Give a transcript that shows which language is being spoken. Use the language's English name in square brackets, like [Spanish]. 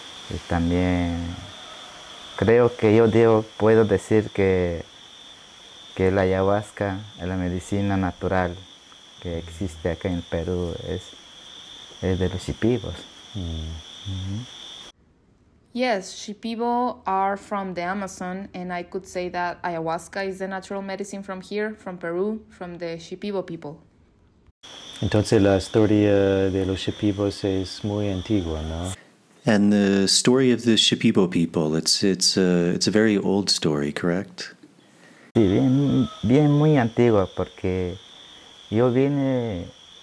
[Spanish] Y también creo que puedo decir que la ayahuasca, la medicina natural que existe acá en Perú, es de los Shipibos. [English] Yes, Shipibo are from the Amazon, and I could say that ayahuasca is the natural medicine from here, from Peru, from the Shipibo people. [Spanish] Entonces la historia de los Shipibos es muy antigua, ¿no? [English] And the story of the Shipibo people, it's a very old story, correct? [Spanish] Sí, bien, bien muy antigua, porque yo vine...